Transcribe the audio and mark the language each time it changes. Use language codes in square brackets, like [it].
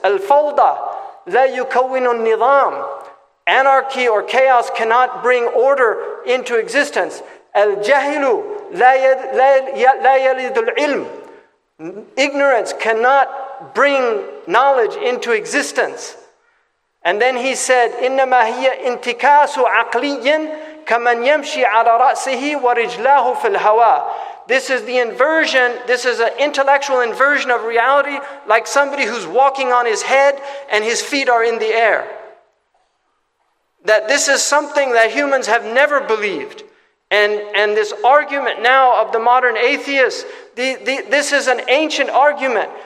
[ar] الفوضى لا يكون النظام. [en] Anarchy or chaos cannot bring order into existence. [ar] الجهل لا يلد العلم. [en] Ignorance cannot bring knowledge into existence. And then he said, [ar] إنما هي انتكاس عقلي كمن يمشي على رأسه ورجلاه في الهواء. [en] This is the inversion, this is an intellectual inversion of reality, like somebody who's walking on his head and his feet are in the air. That this is something that humans have never believed. And this argument now of the modern atheists, this is an ancient argument.